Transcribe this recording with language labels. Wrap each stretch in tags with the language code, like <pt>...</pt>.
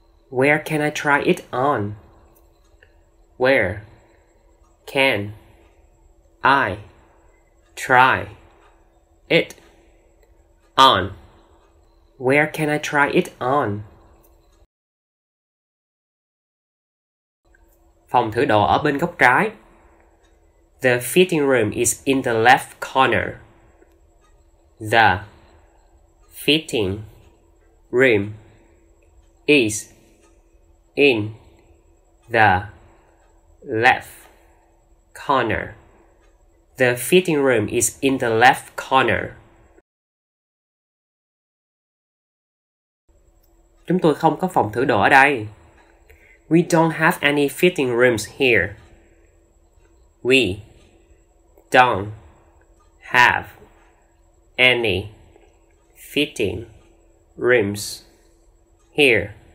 <en>Where can I try it on? Where can I try it on? Where can I try it on?</en> <vi>Phòng thử đồ ở bên góc trái.</vi> <en>The fitting room is in the left corner. The fitting room is in the left corner. The fitting room is in the left corner.</en> <vi>Chúng tôi không có phòng thử đồ ở đây.</vi> <en>We don't have any fitting rooms here. We don't have any fitting rooms here.</en>